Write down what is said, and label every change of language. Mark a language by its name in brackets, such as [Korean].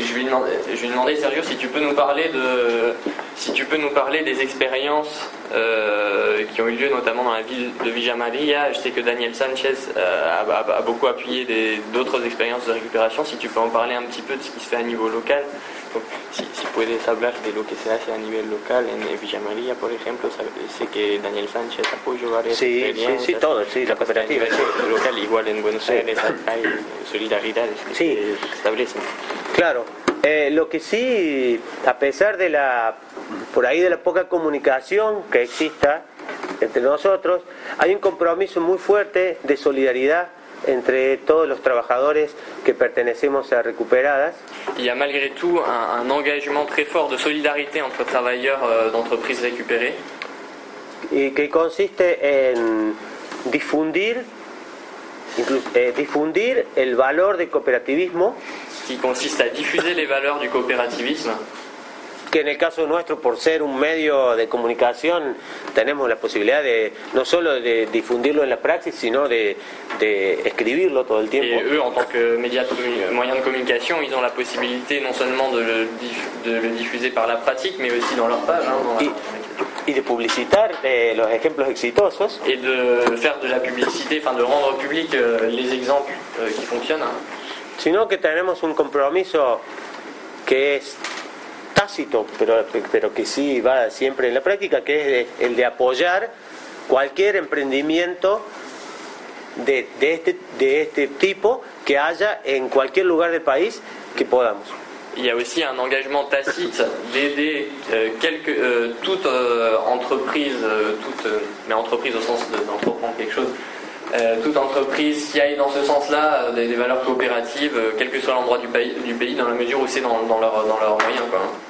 [French] Je lui ai demandé Sergio si tu peux nous parler des expériences qui ont eu lieu notamment dans la ville de Villa María. Je sais que Daniel Sanchez a beaucoup appuyé d'autres expériences de récupération. Si tu peux en parler un petit peu de ce qui se fait à niveau local. [Spanish] Donc, si puedes hablar de lo que se hace a nivel local en Villa María, por ejemplo, sé que Daniel Sánchez apoyó varias experiencias. Sí, todo, sí, la cooperativa. Local, igual en Buenos Aires, hay solidaridades que se establecen. Claro, lo que sí, a pesar de la, por ahí de la poca comunicación que exista entre nosotros, hay un compromiso muy fuerte de solidaridad entre todos los trabajadores que pertenecemos a Recuperadas. [French] Il y a malgré tout un engagement très fort de solidarité entre travailleurs d'entreprises récupérées. [Spanish] Y que consiste en difundir, difundir el valor del cooperativismo. [French] Qui consiste à diffuser les valeurs du coopérativisme. [Spanish] que en el caso nuestro, por ser un medio de comunicación, tenemos la posibilidad de no solo de difundirlo en la praxis, sino de escribirlo todo el tiempo. [French] Et eux, en tant que moyen de communication, ils ont la possibilité non seulement de le diffuser par la pratique, mais aussi dans leur page. Hein, [Spanish] Y de publicitar los ejemplos exitosos. [French] Et de faire de la publicité, enfin de rendre public les exemples qui fonctionnent. [Spanish] Sino que tenemos un compromiso que es tácito, pero que sí va siempre en la práctica, que es el de apoyar cualquier emprendimiento de este tipo que haya en cualquier lugar del país que podamos. [French] Il y a aussi un engagement tacite d'aider toute entreprise qui aille dans ce sens-là, des valeurs coopératives, quel que soit l'endroit du pays, dans la mesure où c'est dans leur moyen, quoi.